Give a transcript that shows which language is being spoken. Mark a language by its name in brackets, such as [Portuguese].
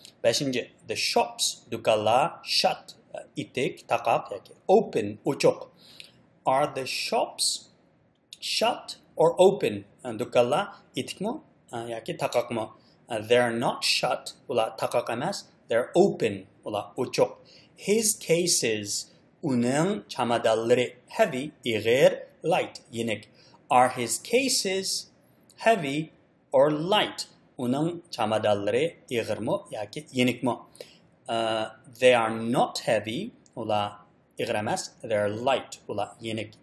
[Crimean Tatar] Beşinci, the shops, dükkanla, shut, itik, taqaq, ya ki open, uçuq. [English] Are the shops shut or open? [Crimean Tatar] Dükkanla itik mu, ya ki taqaq mu? [English] They are not shut, [Crimean Tatar] ula taqaq əməz, [English] they are open, [Crimean Tatar] ula uçuq. [English] His cases, [Crimean Tatar] onun çamadalları, heavy, iğir, light, yenik. [English] Are his cases heavy or light? [Crimean Tatar] Onun çamadalları iğir mu, ya ki yenik mu? [English] They are not heavy, [Crimean Tatar] ula iğir əməz, [English] they are light, [Crimean Tatar] ula yenik.